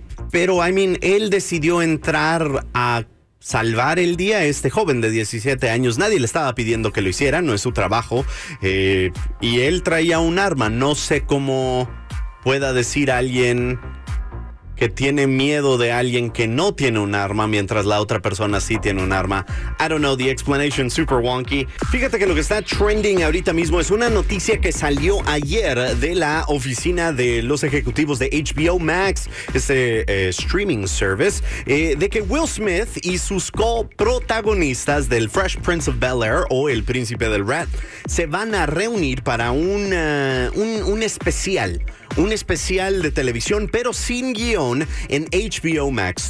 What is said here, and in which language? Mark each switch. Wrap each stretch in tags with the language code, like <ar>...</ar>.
<es>Pero,</es> <en>I mean,</en> <es>él decidió entrar a salvar el día a este joven de 17 años. Nadie le estaba pidiendo que lo hiciera, no es su trabajo. Y él traía un arma, no sé cómo pueda decir alguien que tiene miedo de alguien que no tiene un arma mientras la otra persona sí tiene un arma.</es> <en>I don't know, the explanation super wonky.</en> <es>Fíjate que lo que está trending ahorita mismo es una noticia que salió ayer de la oficina de los ejecutivos de HBO Max, este streaming service, de que Will Smith y sus coprotagonistas del Fresh Prince of Bel-Air o El Príncipe del Rap se van a reunir para un especial de televisión, pero sin guión, en HBO Max.</es>